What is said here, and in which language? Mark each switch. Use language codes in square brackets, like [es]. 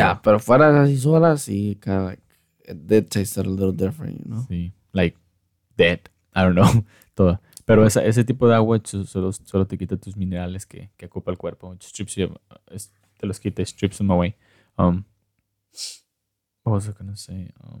[es] Yeah, pero fuera así solas y [en] kind of like... It did taste a little different, you know? Sí. Like dead. I don't know. Todo. [es] Pero ese tipo de agua solo te quita tus minerales que ocupa el cuerpo. Te los quita, [en] strips them away. What was I gonna say?